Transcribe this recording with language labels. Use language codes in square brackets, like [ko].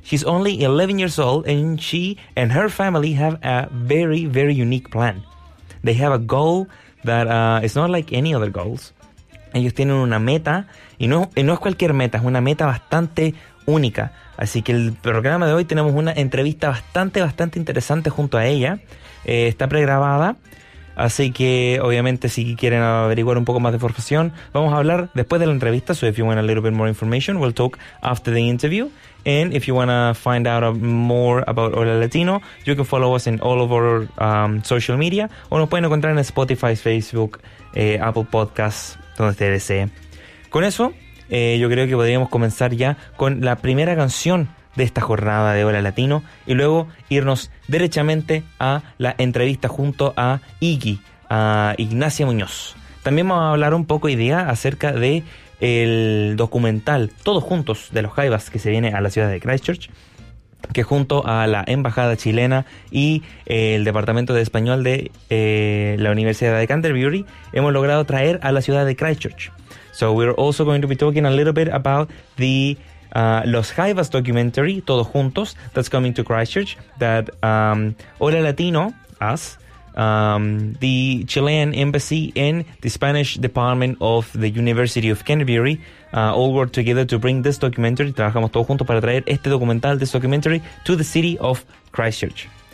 [en] She's only 11 years old and she and her family have a very, very unique plan. They have a goal that is not like any other goals. [es] Ellos tienen una meta y no es cualquier meta, es una meta bastante única. Así que el programa de hoy tenemos una entrevista bastante, bastante interesante junto a ella. Está pregrabada. Así que, obviamente, si quieren averiguar un poco más de información, vamos a hablar después de la entrevista. [en] So, if you want a little bit more information, we'll talk after the interview. And if you want to find out more about Hola Latino, you can follow us in all of our social media. [es] O nos pueden encontrar en Spotify, Facebook, Apple Podcasts, donde usted desee. Con eso, yo creo que podríamos comenzar ya con la primera canción de esta jornada de Hola Latino y luego irnos derechamente a la entrevista junto a Iggy, a Ignacia Muñoz. También vamos a hablar un poco hoy día acerca de el documental Todos Juntos de los Jaivas que se viene a la ciudad de Christchurch, que junto a la embajada chilena y el departamento de español de la Universidad de Canterbury hemos logrado traer a la ciudad de Christchurch. [en] So we're also going to be talking a little bit about the Los Jaivas documentary, Todos Juntos, that's coming to Christchurch, that Hola Latino, us, the Chilean embassy and the Spanish department of the University of Canterbury all worked together to bring this documentary, [es] trabajamos todos juntos para traer este documental, [en] this documentary, to the city of Christchurch.